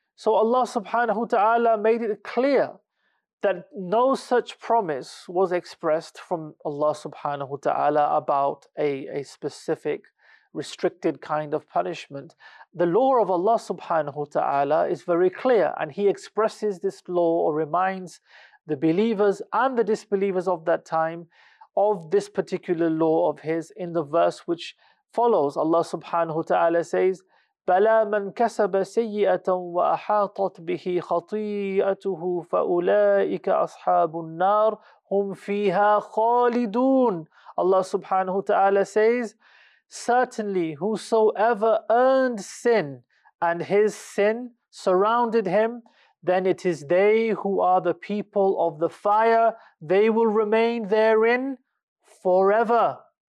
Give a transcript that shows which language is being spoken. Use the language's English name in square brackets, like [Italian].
[English] So Allah subhanahu wa ta'ala made it clear that no such promise was expressed from Allah subhanahu wa ta'ala about a specific restricted kind of punishment. The law of Allah subhanahu wa ta'ala is very clear, and He expresses this law or reminds the believers and the disbelievers of that time of this particular law of His in the verse which follows. Allah subhanahu wa ta'ala says, [Arabic] بَلَا مَنْ كَسَبَ سَيِّئَةً وَأَحَاطَتْ بِهِ خَطِيئَتُهُ فَأُولَٰئِكَ أَصْحَابُ النَّارِ هُمْ فِيهَا خَالِدُونَ. [English] Allah subhanahu wa ta'ala says, certainly whosoever earned sin and his sin surrounded him, then it is they who are the people of the fire. They will remain therein forever.